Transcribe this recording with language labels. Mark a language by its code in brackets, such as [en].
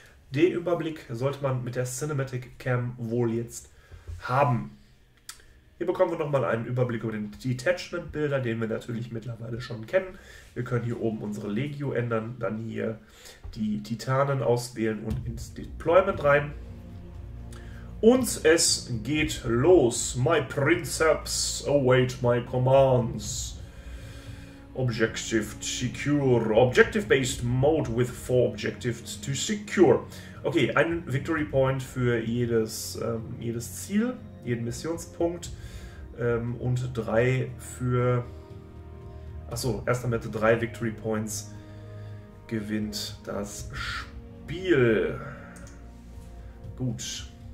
[de] Den Überblick sollte man mit der Cinematic Cam wohl jetzt haben. Hier bekommen wir nochmal einen Überblick über den Detachment-Bilder, den wir natürlich mittlerweile schon kennen. Wir können hier oben unsere Legio ändern, dann hier die Titanen auswählen und ins Deployment rein. Und es geht los. [en] My Princeps await my commands. Objective secure. Objective based mode with four objectives to secure. [de] Okay, ein Victory Point für jedes Ziel, jeden Missionspunkt. Und drei für. Achso, erst einmal mit drei Victory Points gewinnt das Spiel. Gut.